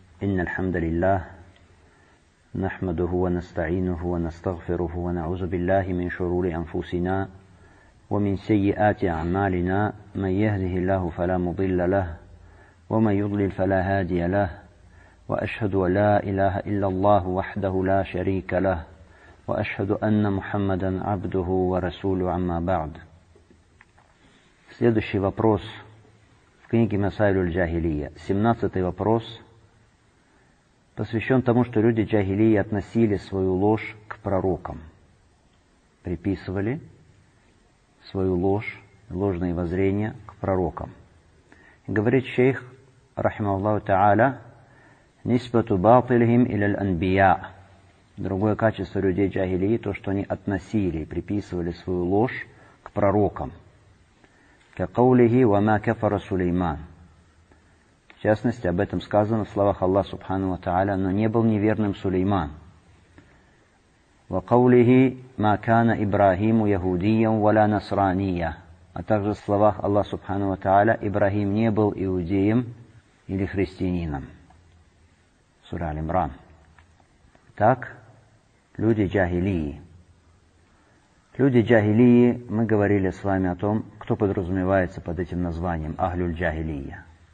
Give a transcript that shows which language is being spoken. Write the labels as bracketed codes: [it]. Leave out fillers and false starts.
[ar] إن الحمد لله نحمده ونستعينه ونستغفره ونعوذ بالله من شرور أنفسنا ومن سيئات أعمالنا، من يهده الله فلا مضل له ومن يضلل فلا هادي له، وأشهد لا إله إلا الله وحده لا شريك له، وأشهد أن محمدا عبده ورسوله. عما بعد، [ru] следующий вопрос книги Масайлю Джахилия. 17-й вопрос посвящен тому, что люди Джахилии относили свою ложь к пророкам. Приписывали свою ложь, ложные воззрения к пророкам. Говорит шейх, рахималлаху та'аля, [ar] «Нисбату батилхим илял анбия». [ru] Другое качество людей Джахилии, то, что они относили, приписывали свою ложь к пророкам. [ar] كقوله وما كفر سليمان. [ru] В частности, об этом сказано в словах Аллаха Субхану ва Тааля: но не был неверным Сулейман. [ar] وقوله ما كان إبراهيم يهوديا ولا نصرانيا. [ru] А также в словах Аллаха Субхану ва Тааля: Ибрахим не был иудеем или христианином. Сура Аль-Имран. Так люди джахилии. Люди джахилии, мы говорили с вами о том, кто подразумевается под этим названием «Ахлюль джахилия».